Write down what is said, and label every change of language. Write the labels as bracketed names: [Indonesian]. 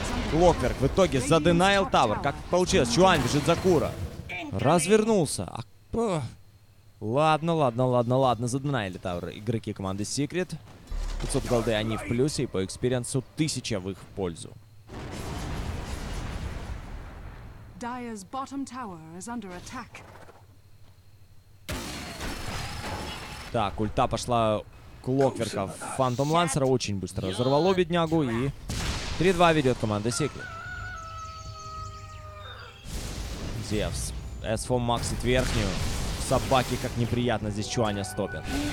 [Russian] Клокверк в итоге за Denial Tower. Как получилось? Чуань бежит за Кура. Развернулся. Ладно, ладно, ладно, ладно. За Denial Tower игроки команды Secret. 500 голды они в плюсе, и по экспириенсу 1000 в их пользу. [English] Dire's bottom tower is under attack. [Russian] Так, ульта пошла к Локверка в Фантом Лансера, очень быстро разорвало беднягу, и 3-2 ведет команда Secret. Зевс, S4 максит верхнюю. Собаки, как неприятно, здесь Чуаня стопят.